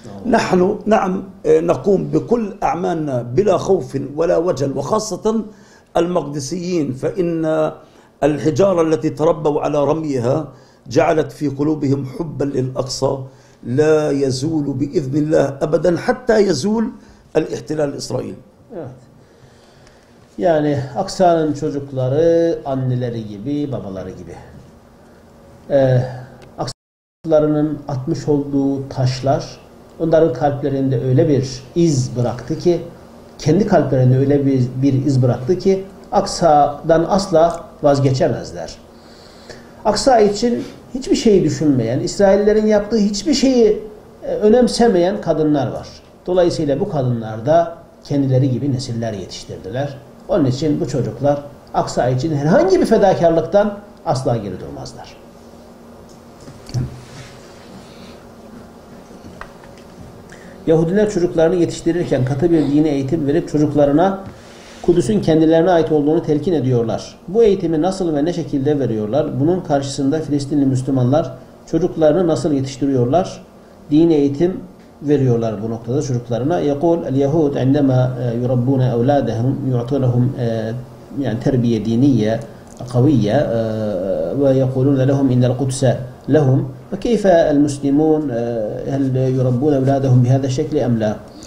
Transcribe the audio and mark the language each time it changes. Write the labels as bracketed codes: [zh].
[ar] نحن نعم نقوم بكل أعمالنا بلا خوف ولا وجل وخاصة المقدسيين فإن الحجارة التي تربوا على رميها جعلت في قلوبهم حبا للأقصى لا يزول بإذن الله أبدا حتى يزول الاحتلال الإسرائيلي. [tr] Evet. Yani Aksa'nın çocukları anneleri gibi, babaları gibi. Aksa'nın 60 olduğu taşlar onların kalplerinde öyle bir iz bıraktı ki, kendi kalplerinde öyle bir iz bıraktı ki Aksa'dan asla vazgeçemezler. Aksa için hiçbir şeyi düşünmeyen, İsraillerin yaptığı hiçbir şeyi önemsemeyen kadınlar var. Dolayısıyla bu kadınlar da kendileri gibi nesiller yetiştirdiler. Onun için bu çocuklar Aksa için herhangi bir fedakarlıktan asla geri durmazlar. Yahudiler çocuklarını yetiştirirken katı bir dini eğitim verip çocuklarına Kudüs'ün kendilerine ait olduğunu telkin ediyorlar. Bu eğitimi nasıl ve ne şekilde veriyorlar? Bunun karşısında Filistinli Müslümanlar çocuklarını nasıl yetiştiriyorlar? Dini eğitim veriyorlar bu noktada çocuklarına. [ar] يقول اليهود عندما يربون أولادهم يعطونهم يعني تربية دينية قوية ويقولون لهم إن القدس لهم وكيف المسلمون هل يربون أولادهم بهذا الشكل أم لا؟